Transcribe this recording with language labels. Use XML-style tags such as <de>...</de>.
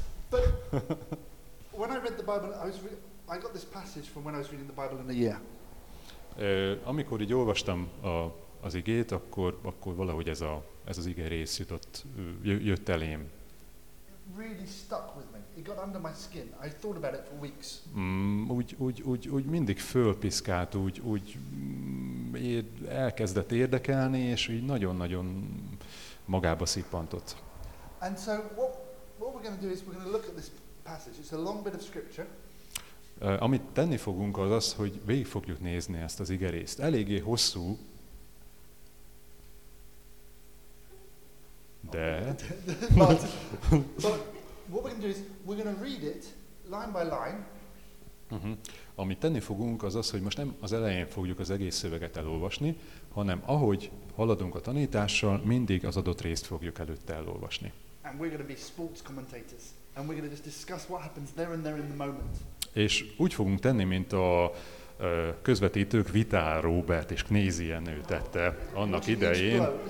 <en>But when I read the Bible, I got this passage from when I was reading the Bible in a year.</en> <hu>Amikor így olvastam az igét, akkor valahogy ez az ige rész jött elém.</hu> <en>Really stuck with me. It got under my skin. I thought about it for weeks.</en> <hu>Úgy mindig fölpiszkált, úgy elkezdett érdekelni, és így nagyon-nagyon magába szippantott.</hu> <en>And so what we're going to do is we're going to look at this passage. It's a long bit of scripture.</en> <hu>Amit tenni fogunk az, hogy végig fogjuk nézni ezt az igerészt. Eléggé hosszú, de...</hu> <en>What we're going to do is we're going to read it line by line.</en> <hu>Amit tenni fogunk az, hogy most nem az elején fogjuk az egész szöveget elolvasni, hanem ahogy haladunk a tanítással, mindig az adott részt fogjuk előtte elolvasni.</hu> <en>And we're going to be sports commentators. And we're going to just discuss what happens there and there in the moment.</en> <hu>És úgy fogunk tenni, mint a közvetítők vitál Robert és Knézi Jenő tette annak idején.</hu>